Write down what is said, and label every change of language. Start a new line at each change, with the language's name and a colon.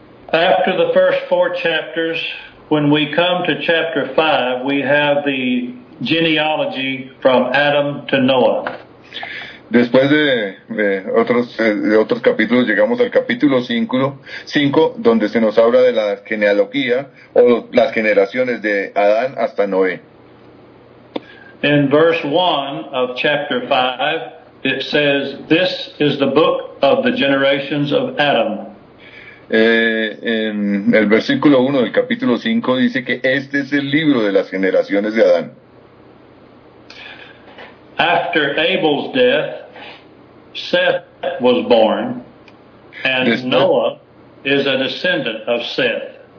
English: After the first 4 chapters, when we come to chapter 5, we have the genealogy from Adam to Noah.
Spanish: Después de otros capítulos, llegamos al capítulo 5, donde se nos habla de la genealogía o las generaciones de Adán hasta Noé.
English: In verse 1 of chapter 5, it says, "This is the book of the generations of Adam."
Spanish: En el versículo 1 del capítulo 5 dice que este es el libro de las generaciones de Adán.
English: After Abel's death, Seth was born, and Noah is a descendant of Seth.